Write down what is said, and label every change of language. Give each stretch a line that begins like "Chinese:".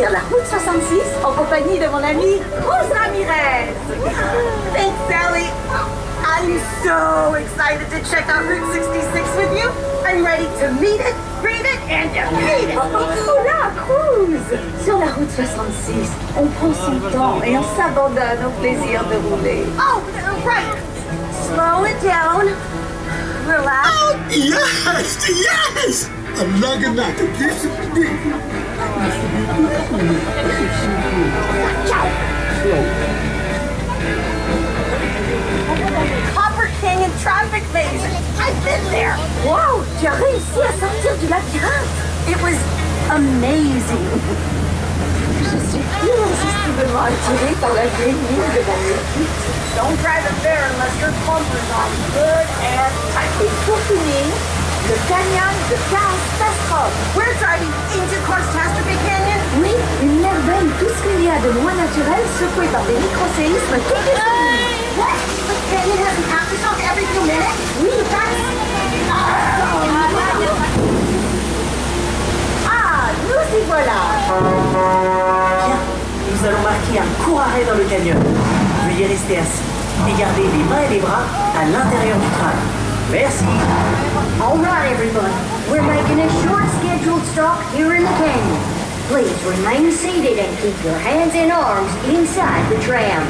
French: Pour vous faire découvrir la Route 66 en compagnie de mon amie Rose Ramirez.
English: Thanks, Sally. I'm so excited to check out Route 66 with you. I'm ready to meet it, breathe it, and defeat it.
Spanish: Hola, Cruz.
French: Sur la Route 66, on prend son temps et on s'abandonne au plaisir de rouler.
English: Oh, right. Slow it down. Relax. Oh, yes, yes. I'm not gonna do this. Copper King and Traffic Maze. I've been there.
French: Wow, tu as réussi à sortir du labyrinthe.
English: It was amazing.
French: Je suis irrésistiblement attirée par la vieille de la vie.
English: Don't drive it there unless your bumper's on good and tight.
French: Et pour finir, le canyon de cars-tastrophe.
English: We're driving into cars-tastrophe canyon.
French: Oui, une merveille, tout ce qu'il y a de moins naturel, secoué par des micro-séismes toutes les semaines.
English: What? The canyon doesn't have to talk every few minutes? Oui, that's...
French: Ah, nous y voilà. Bien, nous allons marquer un court arrêt dans le canyon. Veuillez rester assis et garder les mains et les bras à l'intérieur du crâne. Merci.
English: All right, everyone. We're making a short scheduled stop here in the canyon. Please remain seated and keep your hands and arms inside the tram.